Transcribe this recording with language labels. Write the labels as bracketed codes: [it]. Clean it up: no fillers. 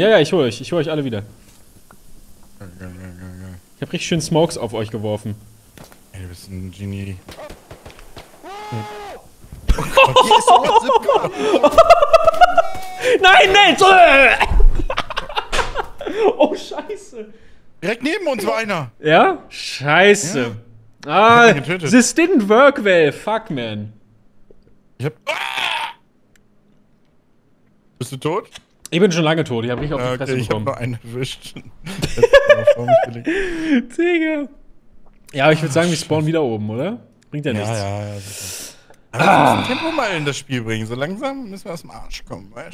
[de] Ja, ich hole euch. Ich hole euch alle wieder. Ich hab richtig schön Smokes auf euch geworfen. Ey, du bist ein Genie. Hm. Oh Gott, hier ist Nein, Nels! Oh, scheiße! Direkt neben uns war einer! Ja? Scheiße! Ja. [en] Ah, this didn't work well, fuck, man! [de] Ich hab. Bist du tot? Ich bin schon lange tot, ich hab nicht auf die Fresse bekommen. Ich hab nur einen erwischt. Digga! Ja, aber ich würde sagen, wir spawnen wieder oben, oder? Bringt ja nichts. Ja. Aber wir müssen Tempo mal in das Spiel bringen. So langsam müssen wir aus dem Arsch kommen, weißt